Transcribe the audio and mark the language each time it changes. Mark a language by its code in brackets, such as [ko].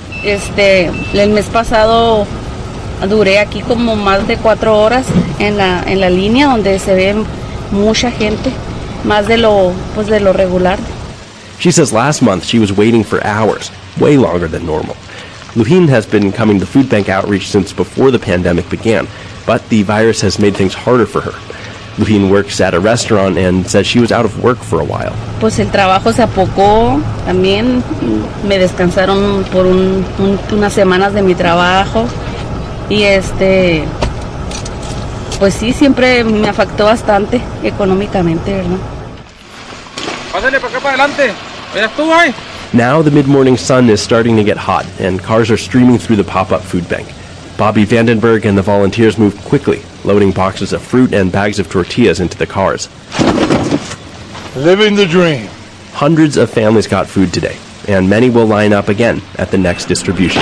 [es] El mes pasado duré aquí como más de 4 horas en la línea donde se ve mucha gente, más de lo regular. [en] She says last month she was waiting for hours, way longer than normal. Lujin has been coming to food bank outreach since before the pandemic began, but the virus has made things harder for her. Lujin works at a restaurant and says she was out of work for a while. [es] Pues el trabajo se apocó también. Me descansaron por unas semanas de mi trabajo. Y pues sí, siempre me afectó bastante económicamente, ¿verdad? Pásale para acá para adelante. ¿Eres tú ahí? [en] Now the mid-morning sun is starting to get hot and cars are streaming through the pop-up food bank. Bobby Vandenberg and the volunteers move quickly, loading boxes of fruit and bags of tortillas into the cars. Living the dream. Hundreds of families got food today, and many will line up again at the next distribution.